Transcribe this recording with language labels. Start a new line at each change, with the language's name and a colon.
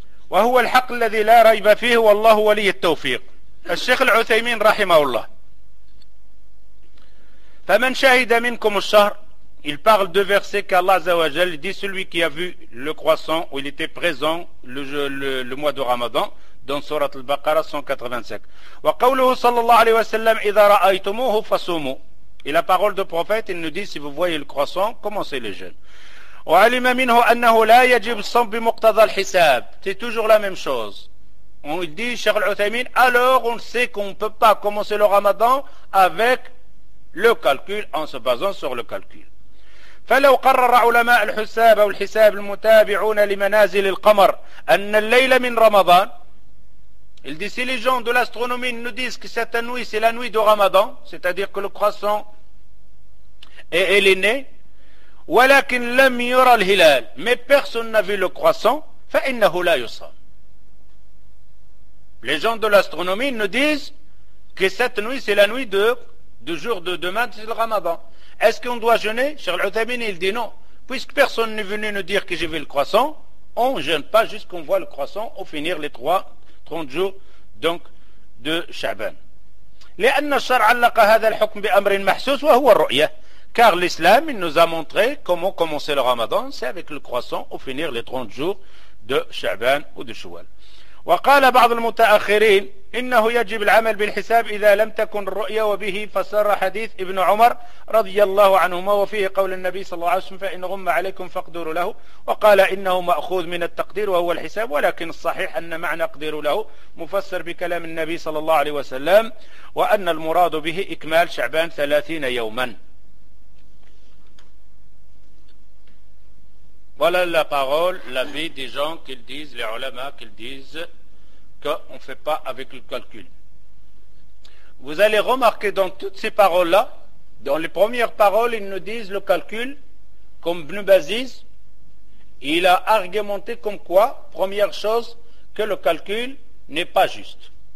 Arabic: وهو الحق الذي لا ريب فيه والله ولي التوفيق الشيخ العثيمين رحمه الله فمن شهد منكم الشهر
French: il parle de versets qu'Allah Azza wa Jal dit celui qui a vu le croissant où il était présent le mois de Ramadan dans sourate al-Baqara 185
Arabic: وقوله صلى الله عليه وسلم اذا رايتموه فصوموا
French: et la parole du prophète il nous dit si vous voyez le croissant commencez le jeûne.
Arabic: وعلم منه أنه لا يجب الصوم بمقتضى الحساب.
French: C'est toujours la même chose. On dit, Cheikh Al-Uthaymin, alors on sait qu'on ne peut pas commencer le ramadan avec le calcul, en se basant sur le calcul.
Arabic: فلو قرر علماء الحساب أو الحساب المتابعون لمنازل القمر أن الليل من رمضان.
French: Il dit, si les gens de l'astronomie nous disent que cette nuit, c'est la nuit du ramadan, c'est-à-dire que le croissant est né,
Arabic: ولكن لم يرى الهلال
French: mais personne n'a vu le croissant
Arabic: فإنه لا يصام.
French: Les gens de l'astronomie nous disent que cette nuit c'est la nuit de jour de demain c'est le ramadan. Est-ce qu'on doit jeûner? Cheikh Al-Uthaymin il dit non, puisque personne n'est venu nous dire que j'ai vu le croissant, on ne jeûne pas jusqu'on voit le croissant au finir les 30 jours donc de Sha'ban.
Arabic: لأن الشرع علق هذا الحكم بأمر محسوس وهو الرؤية.
French: Car l'islam, il nous a montré comment commencer le ramadan, c'est avec le croissant ou finir les 30 jours de Sha'ban ou de Shawwal.
Arabic: وقال بعض المتأخرين إنه يجب العمل بالحساب إذا لم تكن الرؤية وبه فسر حديث ابن عمر رضي الله عنهما وفيه قول النبي صلى الله عليه وسلم فإن غم عليكم فاقدروا له وقال إنه مأخوذ من التقدير وهو الحساب ولكن الصحيح أن معنى اقدروا له مفسر بكلام النبي صلى الله عليه وسلم وأن المراد به إكمال شعبان 30 يوما.
French: Voilà la parole, l'avis des gens qu'ils disent, les ulama qu'ils disent, qu'on ne fait pas avec le calcul. Vous allez remarquer dans toutes ces paroles-là, dans les premières paroles, ils nous disent le calcul, comme Ibn Baziz, il a argumenté comme quoi, première chose, que le calcul n'est pas juste.